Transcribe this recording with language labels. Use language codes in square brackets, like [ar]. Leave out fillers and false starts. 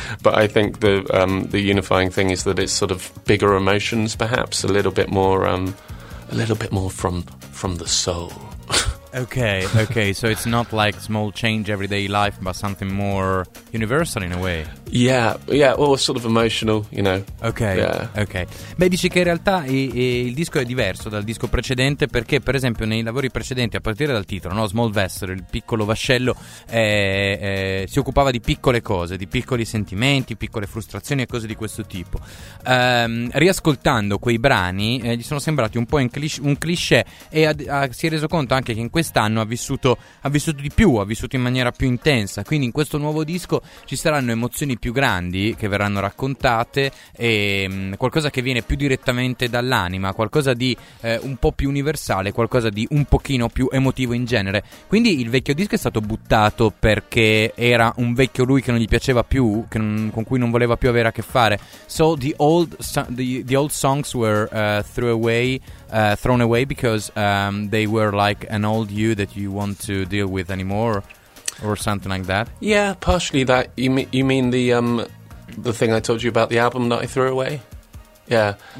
[en] But I think the unifying thing is that it's sort of bigger emotions, perhaps a little bit more from the soul. Okay, so it's not like small change everyday life, but something more universal in a way. Yeah, well, sort of emotional, you know. Okay. [it] Beh, dici che in realtà il disco è diverso dal disco precedente, perché per esempio nei lavori precedenti, a partire dal titolo, no, Small Vessel, il piccolo vascello, si occupava di piccole cose, di piccoli sentimenti, piccole frustrazioni e cose di questo tipo. Riascoltando quei brani, gli sono sembrati un po' un cliché, e si è reso conto anche che in quest'anno ha vissuto in maniera più intensa. Quindi in questo nuovo disco ci saranno emozioni più grandi che verranno raccontate, e qualcosa che viene più direttamente dall'anima, qualcosa di un po' più universale, qualcosa di un pochino più emotivo in genere. Quindi il vecchio disco è stato buttato perché era un vecchio lui che non gli piaceva più, con cui non voleva più avere a che fare. [en] So the old songs were thrown away because they were like an old you that you want to deal with anymore, or something like that. Yeah, partially that. You mean the thing I told you about the album that I threw away? Yeah.